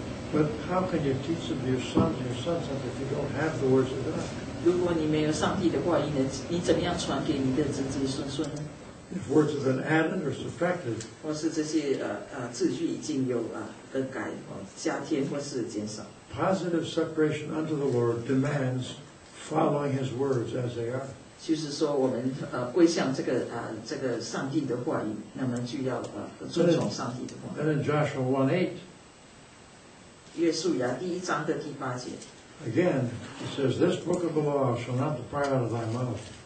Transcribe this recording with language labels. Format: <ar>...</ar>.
<en>But how can you teach them to your sons' sons if you don't have the words of God?</en> <zh>如果你没有上帝的话，你怎么样传给你的子子孙孙呢？</zh> <en>If words have been added or subtracted,</en> <zh>或是这些字句已经有更改、加添或是减少。</zh> <en>Positive separation unto the Lord demands following His words as they are.</en> <zh>就是说，我们归向这个这个上帝的话语，那么就要遵从上帝的话。</zh> <en>Then in Joshua 1:8,</en> <zh>约书亚第一章的第八节。</zh> <en>Again, he says, this book of the law shall not depart out of thy mouth.</en>